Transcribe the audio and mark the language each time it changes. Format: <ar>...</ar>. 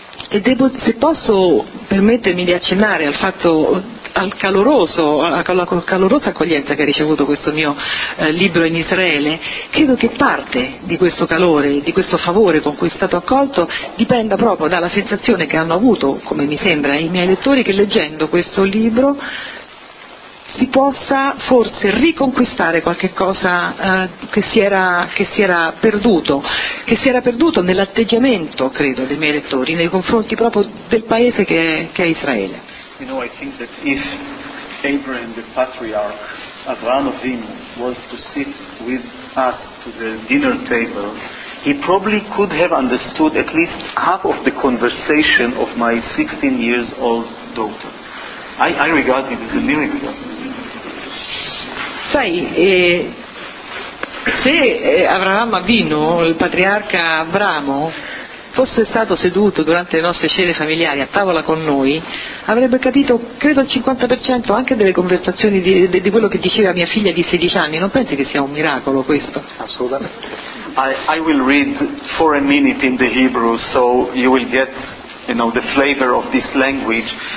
<it>Se posso permettermi di accennare al fatto, alla calorosa accoglienza che ha ricevuto questo mio libro in Israele, credo che parte di questo calore, di questo favore con cui è stato accolto, dipenda proprio dalla sensazione che hanno avuto, come mi sembra, i miei lettori, che leggendo questo libro si possa forse riconquistare qualche cosa che si era perduto nell'atteggiamento, credo, dei miei lettori nei confronti proprio del paese che è Israele.</it> <en>You know, I think that if Abraham the patriarch Abraham Avinu was to sit with us to the dinner table, he probably could have understood at least half of the conversation of my 16 years old daughter. I regard it as a miracle.</en> <it>Sai, se Abraham Avinu, il patriarca Abramo, fosse stato seduto durante le nostre cene familiari a tavola con noi, avrebbe capito, credo, il 50% anche delle conversazioni di quello che diceva mia figlia di 16 anni. Non pensi che sia un miracolo questo? Assolutamente.</it> <en>I will read for a minute in the Hebrew, so you will get, you know, the flavor of this language.</en>